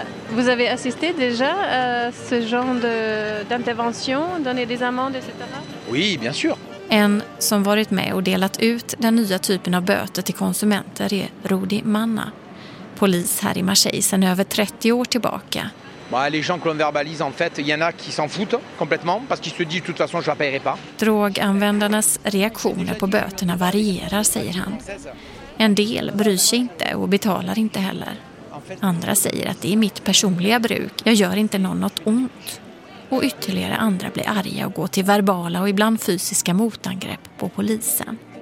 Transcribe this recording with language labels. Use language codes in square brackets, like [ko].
[fr] Vous avez assisté déjà à ce genre d'intervention, donner des amendes etc. Oui, bien sûr. [sv] En som varit med och delat ut den nya typen av böter till konsumenter är Rudy Manna. Polis här i Marseille sedan över 30 år tillbaka. [fr] Les gens que l'on verbalise en fait, il y en a qui s'en foutent complètement parce qu'ils se disent de toute façon je paierai pas. [sv] Droganvändarnas reaktioner på böterna varierar, säger han. En del bryr sig inte och betalar inte heller. Andra säger att det är mitt personliga bruk. Jag gör inte någon något ont. Och ytterligare andra blir arga och går till verbala och ibland fysiska motangrepp på polisen.